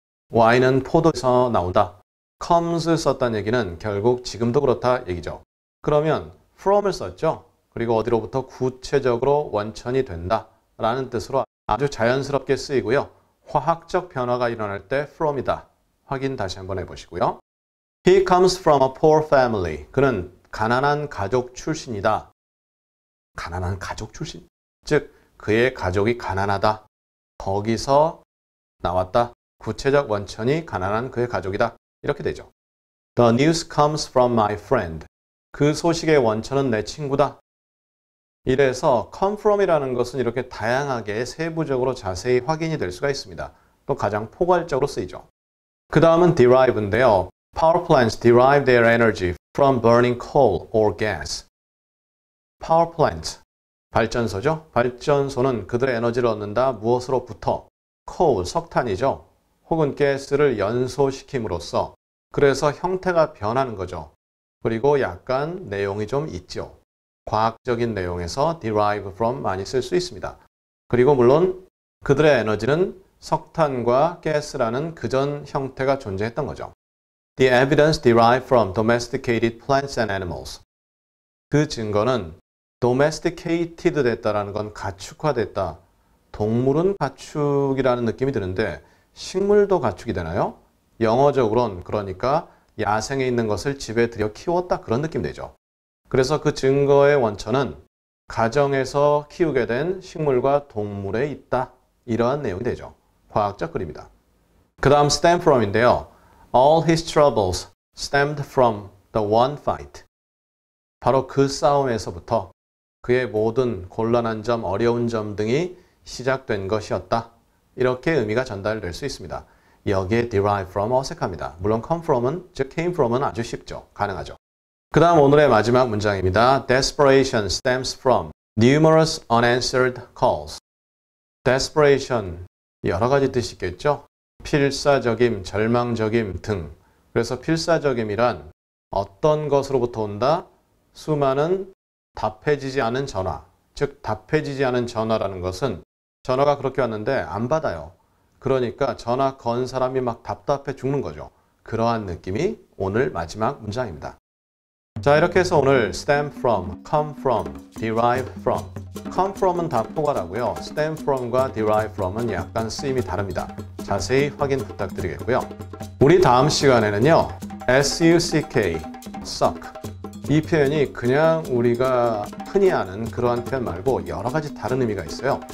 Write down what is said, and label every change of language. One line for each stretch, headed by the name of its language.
Korean: 와인은 포도에서 나온다. comes 썼다는 얘기는 결국 지금도 그렇다 얘기죠. 그러면 from을 썼죠. 그리고 어디로부터 구체적으로 원천이 된다 라는 뜻으로 아주 자연스럽게 쓰이고요. 화학적 변화가 일어날 때 from이다. 확인 다시 한번 해보시고요.
English: He comes from a poor family.
Korean: 그는 가난한 가족 출신이다. 가난한 가족 출신? 즉 그의 가족이 가난하다. 거기서 나왔다. 구체적 원천이 가난한 그의 가족이다. 이렇게 되죠.
English: The news comes from my friend.
Korean: 그 소식의 원천은 내 친구다. 이래서 come from이라는 것은 이렇게 다양하게 세부적으로 자세히 확인이 될 수가 있습니다. 또 가장 포괄적으로 쓰이죠. 그 다음은 derive인데요.
English: Power plants derive their energy from burning coal or gas.
Korean: Power plants, 발전소죠. 발전소는 그들의 에너지를 얻는다. 무엇으로부터? Coal, 석탄이죠. 혹은 가스를 연소시킴으로써, 그래서 형태가 변하는 거죠. 그리고 약간 내용이 좀 있죠. 과학적인 내용에서 derive from 많이 쓸 수 있습니다. 그리고 물론 그들의 에너지는 석탄과 가스라는 그전 형태가 존재했던 거죠.
English: The evidence derived from domesticated plants and animals.
Korean: 그 증거는 domesticated 됐다라는 건 가축화됐다. 동물은 가축이라는 느낌이 드는데 식물도 가축이 되나요? 영어적으로는 그러니까 야생에 있는 것을 집에 들여 키웠다, 그런 느낌 되죠. 그래서 그 증거의 원천은 가정에서 키우게 된 식물과 동물에 있다, 이러한 내용이 되죠. 과학적 글입니다. 그 다음 stem from인데요.
English: All his troubles stemmed from the one fight.
Korean: 바로 그 싸움에서부터 그의 모든 곤란한 점, 어려운 점 등이 시작된 것이었다. 이렇게 의미가 전달될 수 있습니다. 여기에 derive from 어색합니다. 물론 come from은, 즉 came from은 아주 쉽죠. 가능하죠. 그 다음 오늘의 마지막 문장입니다.
English: Desperation stems from numerous unanswered calls.
Korean: Desperation, 여러 가지 뜻이 있겠죠. 필사적임, 절망적임 등. 그래서 필사적임이란 어떤 것으로부터 온다? 수많은 답해지지 않은 전화. 즉 답해지지 않은 전화라는 것은 전화가 그렇게 왔는데 안 받아요. 그러니까 전화 건 사람이 막 답답해 죽는 거죠. 그러한 느낌이 오늘 마지막 문장입니다. 자, 이렇게 해서 오늘 stem from, come from, derive from. come from은 다 포괄하고요. stem from과 derive from은 약간 쓰임이 다릅니다. 자세히 확인 부탁드리겠고요. 우리 다음 시간에는요. suck, suck. 이 표현이 그냥 우리가 흔히 아는 그러한 표현 말고 여러 가지 다른 의미가 있어요.